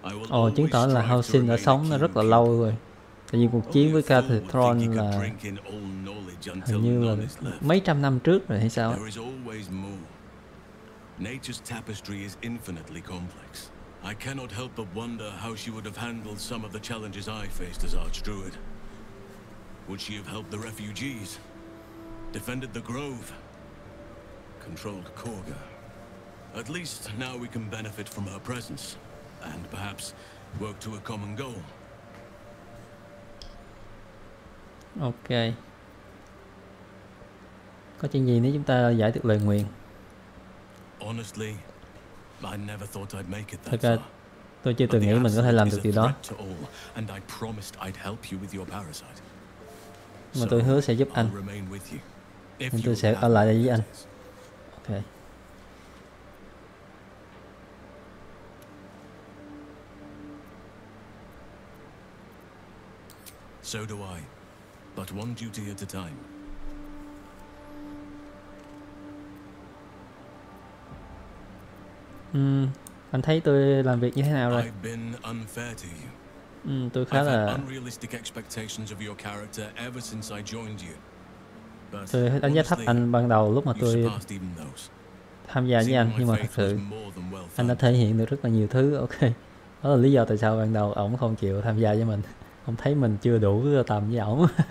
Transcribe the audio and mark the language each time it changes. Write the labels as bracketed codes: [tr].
[vi] Ồ, chứng tỏ là Halcyon đã sống rất là lâu rồi. Tại vì cuộc chiến với Carthoron là hình như là mấy trăm năm trước rồi hay sao? [en] There is always more. Nature's tapestry is infinitely complex. I cannot help but wonder how she would have handled some of the challenges I faced as Archdruid. Would she have helped the refugees? Defended the Grove? Controlled Korga? At least now we can benefit from her presence and perhaps work to a common goal. Okay. [vi] Có chuyện gì nếu chúng ta giải được lời nguyền? [en] Honestly, I never thought I'd make it that far. [vi] Tôi chưa từng nghĩ mình có thể làm được điều đó. [en] And I promised I'd help you with your parasite. [vi] Mà tôi hứa sẽ giúp anh. Nhưng tôi sẽ ở lại đây với anh. Ok. [en] So do I. But one duty at a time. [vi] Anh thấy tôi làm việc như thế nào rồi? [en] I've been unfair to you. [vi] Tôi khá [en] I've [vi] là [en] had unrealistic expectations of your character ever since I joined you. [vi] But tôi đánh giá thấp anh ban đầu lúc mà tôi tham gia với anh, nhưng mà thật sự anh đã thể hiện được rất là nhiều thứ. Ok, đó là lý do tại sao ban đầu ổng không chịu tham gia với mình, không thấy mình chưa đủ tầm với ổng.